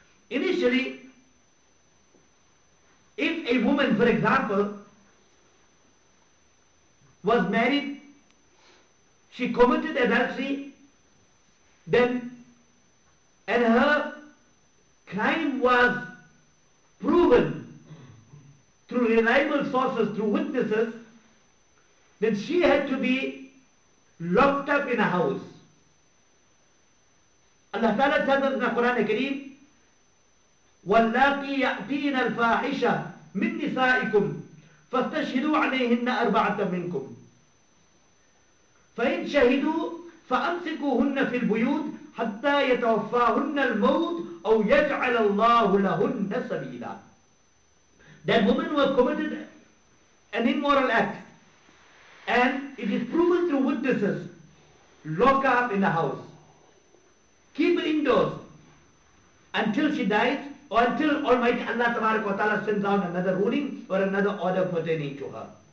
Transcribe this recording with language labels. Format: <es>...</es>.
<en>Initially, if a woman, for example, was married, she committed adultery, then, and her crime was proven through reliable sources, through witnesses, then she had to be locked up in a house. Allah Ta'ala tells us in the Quran al-Kareem,</en> <ar>وَاللَّاقِي يَأْتِينَ الْفَاحِشَةَ مِنْ نِسَائِكُمْ فَاسْتَشْهِدُوا عَلَيْهِنَّ أَرْبَعَةً مِنْكُمْ فَإِنْ شَهِدُوا فَأَمْسِكُوهُنَّ فِي الْبُيُوتِ حَتَّى يَتَوَفَّاهُنَّ الْمَوْتِ أَوْ يَجْعَلَ اللَّهُ لَهُنَّ سَبِيلًا.</ar> <en>That woman who committed an immoral act, and it is proven through witnesses, lock her up in the house. Keep her indoors until she dies, or until Almighty Allah Tabarak wa Ta'ala sends down another ruling or another order pertaining to her.</en>